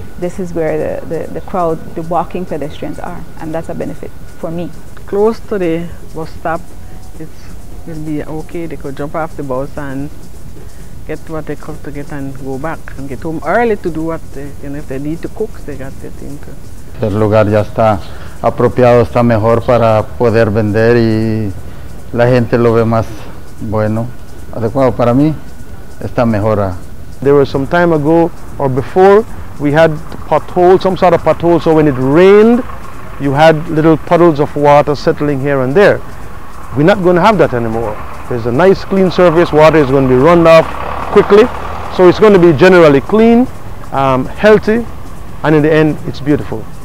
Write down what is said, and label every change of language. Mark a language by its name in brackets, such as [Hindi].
[English] This is where the crowd, the walking pedestrians are, and that's a benefit for me. Close to the bus stop, it will be okay. They could jump off the bus and get what they come to get and go back and get home early to do what they, you know, if they need to cook, they got the thing to. [Spanish] El lugar ya está apropiado, está mejor para poder vender y la gente lo ve más bueno, adecuado para mí, está mejor. [English] There was some time ago or before, we had potholes, some sort of potholes, so when it rained, you had little puddles of water settling here and there. We're not going to have that anymore. There's a nice clean surface, water is going to be run off quickly, so it's going to be generally clean, healthy, and in the end, it's beautiful.